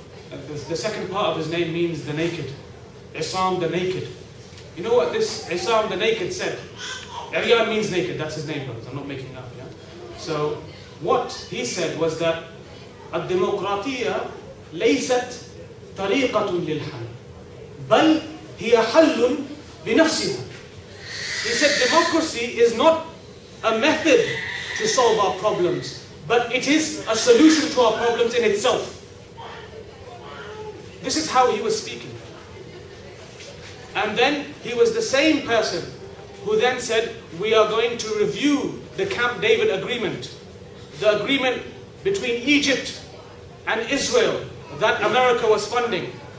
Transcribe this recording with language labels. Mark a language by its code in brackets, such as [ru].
[en] The second part of his name means the naked. Isam the naked. You know what this Isam the naked said? Aryan means naked, that's his name, brothers. I'm not making it up, yeah? So what he said was that [ar] الديمقراطيه ليست طريقه للحل بل هي حل بنفسها. [en] He said democracy is not a method to solve our problems, but it is a solution to our problems in itself. This is how he was speaking. And then he was the same person who then said, we are going to review the Camp David agreement, the agreement between Egypt and Israel that America was funding.